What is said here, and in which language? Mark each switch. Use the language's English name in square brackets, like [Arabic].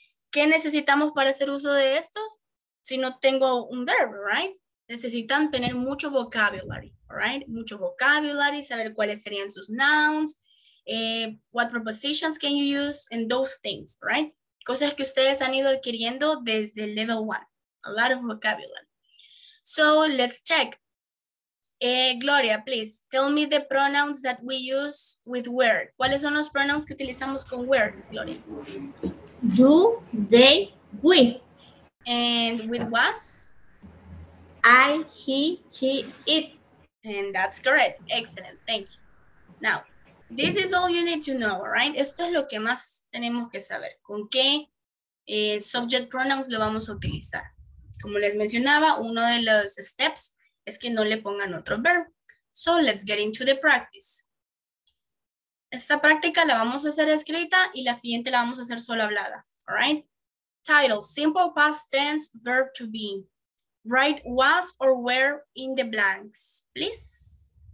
[Spanish] ¿Qué necesitamos para hacer uso de estos? Si no tengo un verb, right? Necesitan tener mucho vocabulary, right? Mucho vocabulary, saber cuáles serían sus nouns, [English] what prepositions can you use, and those things, right? [Spanish] Cosas que ustedes han ido adquiriendo desde el level one. [English] A lot of vocabulary. So, let's check. Gloria, please, tell me the pronouns that we use with where. [Spanish] ¿Cuáles son los pronouns que utilizamos con where, Gloria? [English] Do, they, we. And with was? I, he, she, it. And that's correct. Excellent. Thank you. Now, this is all you need to know, right? [Spanish] Esto es lo que más tenemos que saber. ¿Con qué subject pronouns lo vamos a utilizar? Como les mencionaba, uno de los steps es que no le pongan otro verb. [English] So, let's get into the practice. [Spanish] Esta práctica la vamos a hacer escrita y la siguiente la vamos a hacer solo hablada, all right? [English] Title, simple past tense verb to be. Write was or were in the blanks, please.